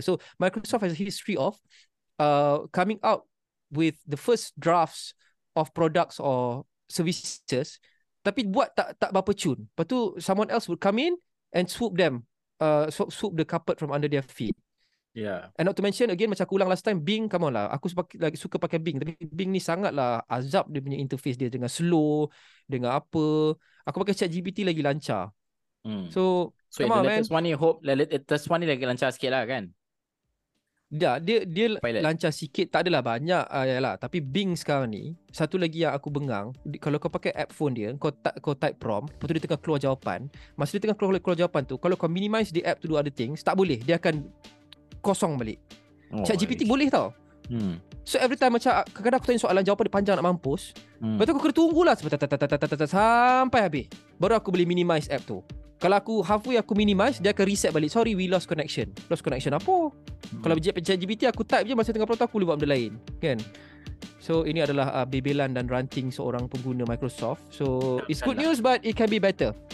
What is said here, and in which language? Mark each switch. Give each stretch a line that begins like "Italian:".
English: So Microsoft has a history of coming out with the first drafts of products or services.
Malay: Tapi buat tak berapa cun. Lepas tu
English: someone else would come in and swoop them. Swoop the carpet from under their feet. Yeah. And not to mention again,
Malay: macam aku ulang
English: last time, Bing, come on lah,
Malay: aku suka pakai Bing. Tapi Bing ni sangatlah azab dia punya interface dia, dengan slow, dengan apa. Aku pakai ChatGPT lagi lancar. So
English: come on, the latest man. The latest one
Malay: ni lagi lancar sikit lah kan. Dia Pilot lancar sikit. Tak adalah banyak yalah. Tapi Bing sekarang ni, satu lagi yang aku bengang, kalau kau pakai app phone dia, kau type prompt, lepas tu dia tengah keluar jawapan. Masa dia tengah keluar jawapan tu, kalau kau
English: minimize the app to do other things,
Malay: tak boleh. Dia akan kosong balik. ChatGPT boleh tau. So every time macam kadang-kadang aku tanya soalan, jawapan dia panjang nak mampus. Lepas tu aku kena tunggulah sampai habis baru aku boleh minimize app tu. Kalau aku halfway aku minimize, dia akan reset balik.
English: Sorry, we lost connection.
Malay: Lost connection apa? Kalau ChatGPT aku type je, masa tengah prompt aku boleh buat benda lain. Kan? So, ini adalah bebelan dan ranting seorang pengguna Microsoft.
English: So, it's good news but it can be better.